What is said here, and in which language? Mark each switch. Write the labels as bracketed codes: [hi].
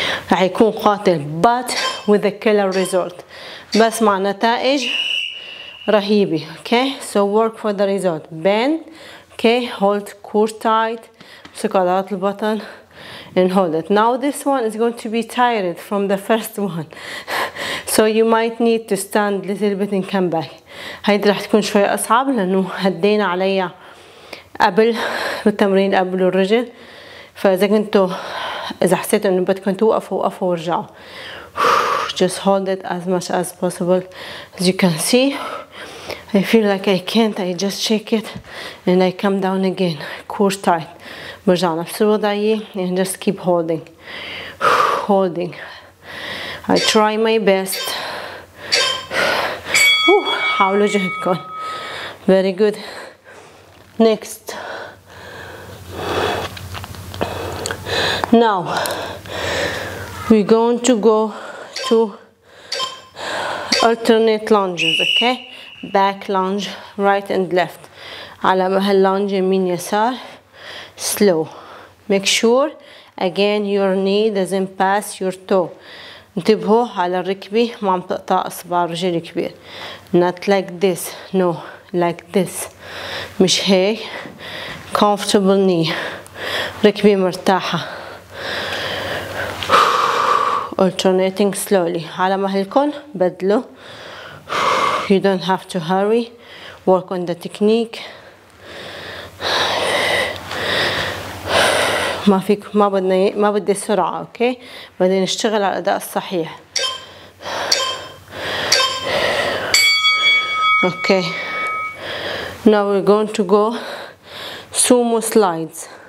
[ar] راح يكون قاتل. [en] But with a killer result. [ar] بس مع نتائج رهيبة. Okay. [en] So work for the result. Bend. Okay. Hold core tight. [ar] امسك عضلات البطن. [en] And hold it. Now this one is going to be tired from the first one. So you might need to stand a little bit and come back. [ar] هيدي رح تكون شوية أصعب لأنه هدينا عليها قبل بالتمرين قبل الرجل. فإذا كنتوا إذا حسيتوا إنه بدكم توقفوا وقفوا ورجعوا. [en] Just hold it as much as possible. As you can see, I feel like I can't. I just shake it and I come down again. Core tight. [ar] برجع نفس الوضعية [en] and just keep holding. Holding. I try my best. [ar] حاولوا جهدكم. [en] Very good. Next. Now we're going to go to alternate lunges. Okay. Back lunge, right and left. [ar] على هاللونج يمين يسار. [en] Slow. Make sure again your knee doesn't pass your toe. [ar] انتبهوا على الركبة ما عم تقطع اصبع رجل كبير. [en] Not like this. No. Like this. [ar] مش هيك. [en] Comfortable knee. [ar] ركبة مرتاحة. [en] Alternating slowly. [ar] على مهلكن بدلو. [en] You don't have to hurry. Work on the technique. [ar] ما فيك ما بدي سرعة. اوكي بدي نشتغل على الأداء الصحيح. [en] Okay now we're going to go sumo slides.